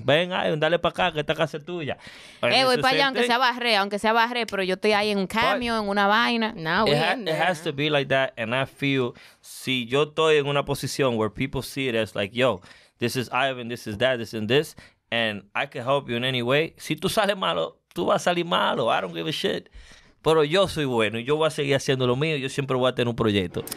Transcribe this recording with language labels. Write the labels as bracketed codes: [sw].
[es] Ven, dale para acá, que esta casa es tuya. Voy para allá, aunque sea barré, pero yo estoy ahí en un cameo, en una vaina. No, [en] it has to be like that, and I feel, [es] si yo estoy en una posición [en] where people see it as like, yo, this is Ivan, this is that, this and this, and I can help you in any way. [es] Si tú sales malo, tú vas a salir malo. [en] I don't give a shit. [es] Pero yo soy bueno y yo voy a seguir haciendo lo mío. Yo siempre voy a tener un proyecto.